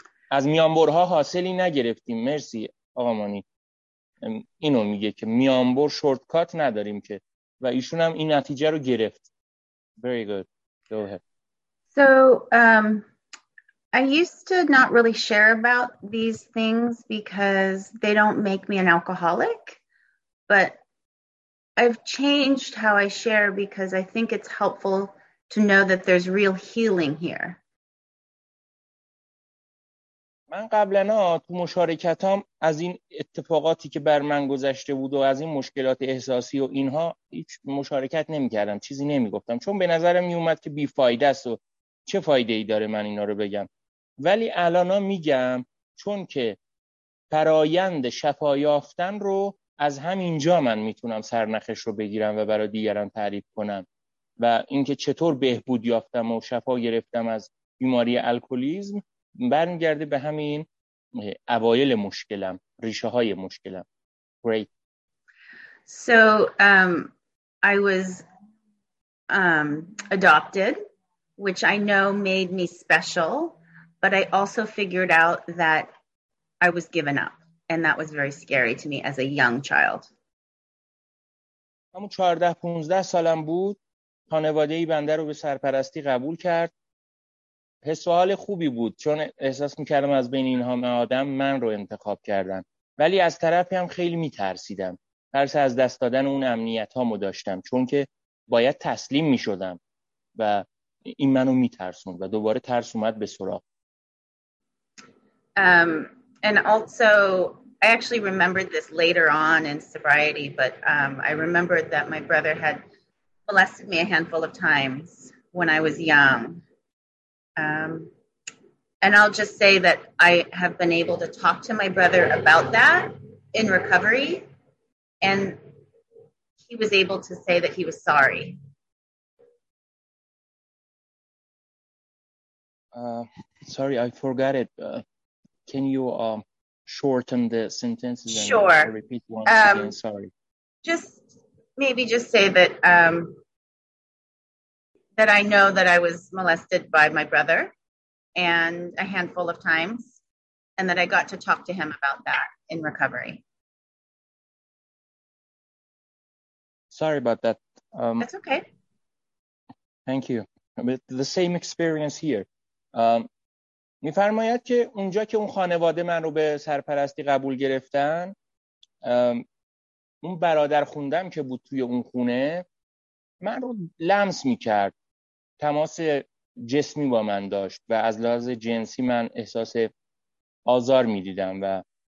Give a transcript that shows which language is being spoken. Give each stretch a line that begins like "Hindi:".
Persian: از میانبرها حاصلی نگرفتیم. مرسی آقا مانی. اینو میگه که میانبر شورتکات نداریم که، و ایشون هم این نتیجه رو گرفت.
English: Very good. Go ahead. So, I used to not really share about these things because they don't make me an alcoholic, but I've changed how I share because I think it's helpful to know that there's real healing here.
Persian: من قبلنا تو مشارکتام از این اتفاقاتی که بر من گذشته بود و از این مشکلات احساسی و اینها هیچ مشارکت نمی کردم، چیزی نمی گفتم، چون به نظرم می اومد که بی فایده است و چه فایده ای داره من اینا رو بگم. ولی الانا میگم چون که فرایند شفا یافتن رو از همینجا من میتونم سرنخش رو بگیرم و برای دیگران تعریف کنم و اینکه چطور بهبود یافتم و شفا گرفتم از بیماری الکلیسم برمیگرده به همین اوایل مشکلم، ریشه های مشکلم.
English: Great. So I was adopted, which I know made me special, but I also figured out that I was given up and that was very scary to me as a young child.
Persian: همون 14-15 سالم بود خانواده ای بنده رو به سرپرستی قبول کرد. حس و حال خوبی بود چون احساس میکردم از بین اینها آدم من رو انتخاب کردن، ولی از طرفی هم خیلی میترسیدم، ترس از دست دادن اون امنیت هامو داشتم چون که باید تسلیم میشدم و این منو میترسون و دوباره ترس اومد به سراغ.
English: And also I actually remembered this later on in sobriety, but I remembered that my brother had molested me a handful of times when I was young. And I'll just say that I have been able to talk to my brother about that in recovery, and he was able to say that he was sorry. Sorry, I forgot it. Can you shorten the sentences? And sure. Repeat once again. Sorry. Just say that that I know that I was molested by my brother, and a handful of times, and that I got to talk to him about that in recovery. Sorry about that. That's okay. Thank you. With the same experience here.
Persian: میفرماید که اونجا که اون خانواده من رو به سرپرستی قبول گرفتن، اون برادر خوندم که بود توی اون خونه، من رو لمس میکرد، تماس جسمی با من داشت و از لحاظ جنسی من احساس آزار میدیدم و